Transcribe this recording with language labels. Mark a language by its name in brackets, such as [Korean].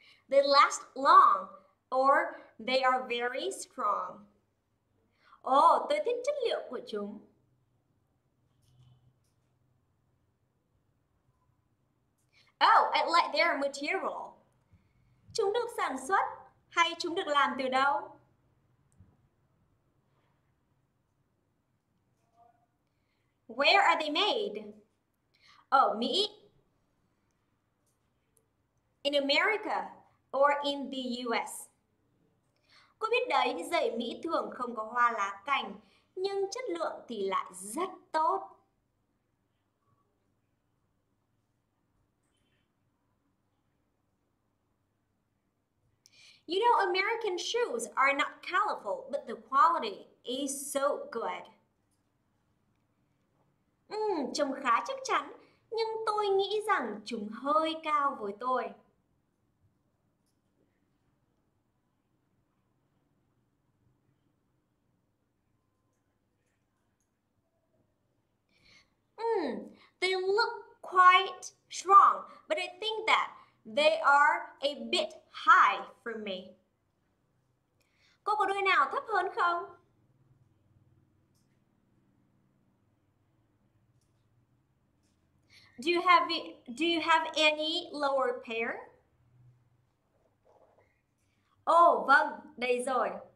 [English] They last long or they are very strong. [Vietnamese] Oh, tôi thích chất liệu của chúng. [English] Oh, I like their material. [Vietnamese] Chúng được sản xuất hay chúng được làm từ đâu? [English] Where are they made? Oh, Mỹ. In America or in the US? [Vietnamese] Cô biết đấy, giày Mỹ thường không có hoa lá cành, nhưng chất lượng thì lại rất tốt. [English] You know, American shoes are not colorful, but the quality is so good. [Vietnamese] Trông khá chắc chắn, nhưng tôi nghĩ rằng chúng hơi cao với tôi. [English] They look quite strong, but I think that they are a bit high for me. [Vietnamese] Cô có đôi nào thấp hơn không? [English] Do you have any lower pair? [Vietnamese] Oh, vâng, đây rồi.